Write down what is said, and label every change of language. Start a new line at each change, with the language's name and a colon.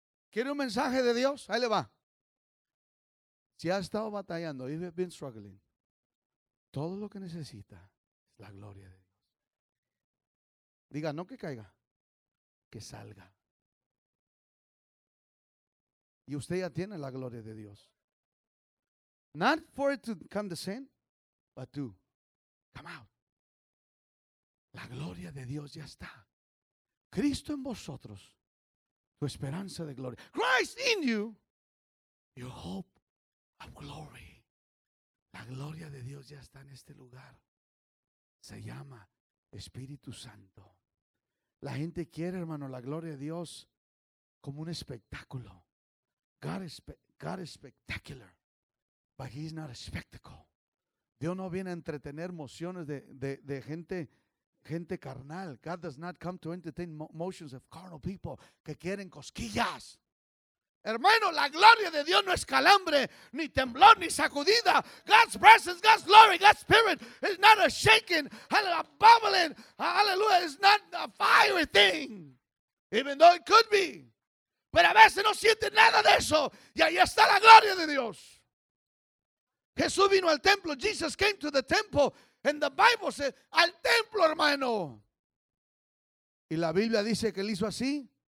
Spanish: ¿Quiere un mensaje de Dios? Ahí le va. Si ha estado batallando,
English: you've been struggling,
Spanish: todo lo que necesita es la gloria de Dios. Diga, no que caiga, que salga. Y usted ya tiene la gloria de Dios.
English: Not for it to come the same, but to come out.
Spanish: La gloria de Dios ya está. Cristo en vosotros, tu esperanza de gloria.
English: Christ in you, your hope of glory.
Spanish: La gloria de Dios ya está en este lugar. Se llama Espíritu Santo. La gente quiere, hermano, la gloria de Dios como un espectáculo.
English: God is spectacular, but he's not a spectacle.
Spanish: Dios no viene a entretener emociones de gente carnal.
English: God does not come to entertain motions of carnal people
Spanish: que quieren cosquillas. Hermano, la gloria de Dios no es calambre, ni temblor, ni sacudida.
English: God's presence, God's glory, God's spirit is not a shaking, a bubbling, hallelujah, it's not a fiery thing, even though it could be.
Spanish: Pero a veces no siente nada de eso, y ahí está la gloria de Dios. Jesús vino al templo,
English: Jesus came to the temple. And the Bible says,
Spanish: al templo, hermano. Y la Biblia dice que él hizo así.